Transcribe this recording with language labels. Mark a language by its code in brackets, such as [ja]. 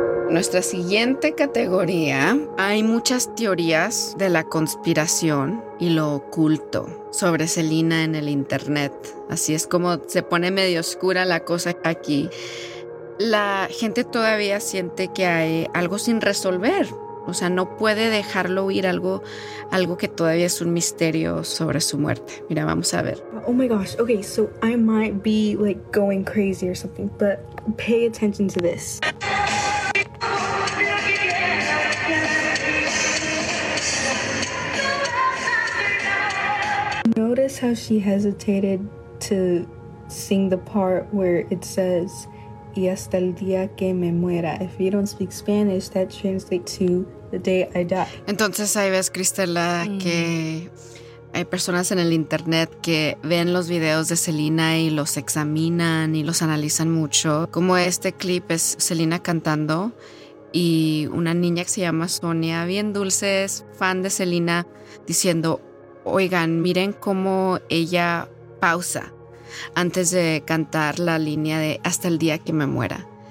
[es] Nuestra siguiente categoría, hay muchas teorías de la conspiración y lo oculto sobre Selena en el internet. Así es como se pone medio oscura la cosa aquí. La gente todavía siente que hay algo sin resolver. O sea, no puede dejarlo huir, algo que todavía es un misterio sobre su muerte. Mira, vamos a ver. [en] Oh my gosh. Okay, so I might be like going crazy or something, but pay attention to this. Notice how she hesitated to sing the part where it says, [es] y hasta el día que me muera. [en] If you don't speak Spanish, that translates to the day I die. [es] Entonces ahí ves, Cristela, que hay personas en el internet que ven los videos de Selena y los examinan y los analizan mucho. Como este clip es Selena cantando y una niña que se llama Sonia, bien dulce, es fan de Selena, diciendo, oigan, miren cómo ella pausa antes de cantar la línea de hasta el día que me muera.